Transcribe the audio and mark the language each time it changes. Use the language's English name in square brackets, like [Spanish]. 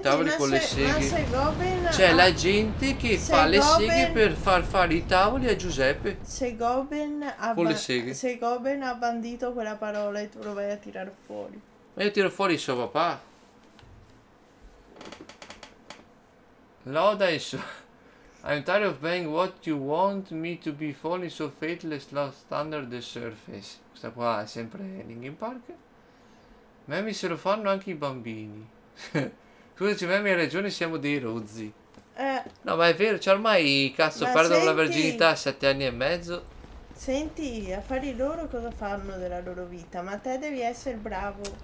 [Italian] i tavoli con le seghe. Ma sei Goblin? C'è la gente che fa le seghe per far fare i tavoli a Giuseppe. Sei Goblin con le seghe. Sei Goblin ha bandito quella parola e tu lo vai a tirare fuori. Ma io tiro fuori il suo papà. Loda il suo. [English] I'm tired of being what you want me to be, falling so faithless, lost under the surface. [Italian] Questa qua è sempre Linkin Park. Mammy se lo fanno anche i bambini. Scusaci, Mammy, hai ragione, siamo dei rozzi. No, ma è vero, cioè ormai cazzo perdono la verginità a 7 anni e mezzo. Senti, affari loro cosa fanno della loro vita, ma te devi essere bravo.